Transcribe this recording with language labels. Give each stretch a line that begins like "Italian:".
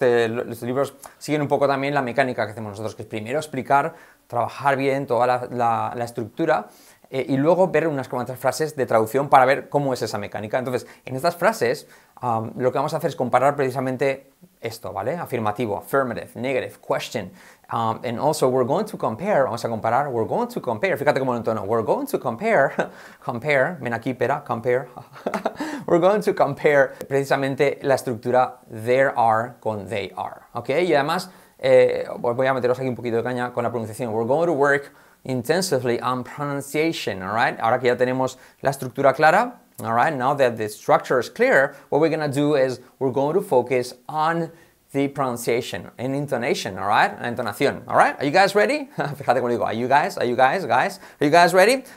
Spanish: Los libros siguen un poco también la mecánica que hacemos nosotros, que es primero explicar, trabajar bien toda la estructura y luego ver unas cuantas frases de traducción para ver cómo es esa mecánica. Entonces, en estas frases, lo que vamos a hacer es comparar precisamente esto, ¿vale?
English: Afirmativo, affirmative, negative, question. And also, we're going to compare,
Spanish: vamos a comparar,
English: we're going to compare.
Spanish: Fíjate cómo lo entono,
English: we're going to compare,
Spanish: compare, ven aquí, pera, compare.
English: We're going to compare
Spanish: precisamente la estructura
English: there are con they are, ¿ok?
Spanish: Y además, voy a meteros aquí un poquito de caña con la pronunciación.
English: We're going to work intensively on pronunciation, all right?
Spanish: Ahora que ya tenemos la estructura clara,
English: all right? Now that the structure is clear, what we're going to do is we're going to focus on the pronunciation and intonation, all right?
Spanish: La entonación,
English: all right? Are you guys ready?
Spanish: Fíjate cómo digo,
English: are you guys? Are you guys ready?